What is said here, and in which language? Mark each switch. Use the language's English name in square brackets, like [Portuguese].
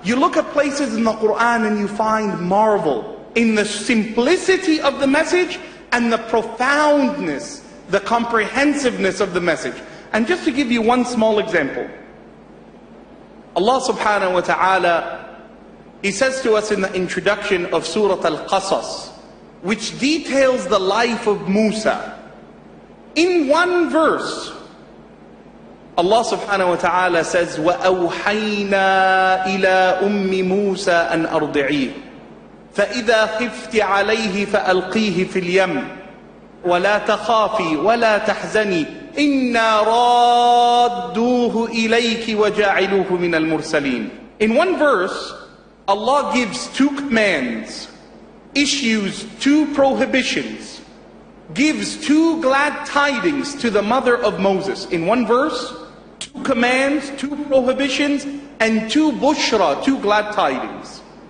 [English] You look at places in the Quran and you find marvel in the simplicity of the message and the profoundness, the comprehensiveness of the message. And just to give you one small example, Allah subhanahu wa ta'ala, He says to us in the introduction of Surah Al-Qasas, which details the life of Musa. In one verse, Allah subhanahu wa ta'ala says, [Arabic] وَأَوْحَيْنَا إِلَىٰ أُمِّ مُوسَىٰ أَنْ أَرْضِعِيهِ فَإِذَا خِفْتِ عَلَيْهِ فَأَلْقِيهِ فِي الْيَمِّ وَلَا تَخَافِي وَلَا تَحْزَنِي إِنَّا رَادُّوهُ إِلَيْكِ وَجَاعِلُوهُ مِنَ الْمُرْسَلِينَ. [English] In one verse, Allah gives two commands, issues two prohibitions, gives two glad tidings to the mother of Moses. In one verse, two commands, two prohibitions, and two bushra, two glad tidings.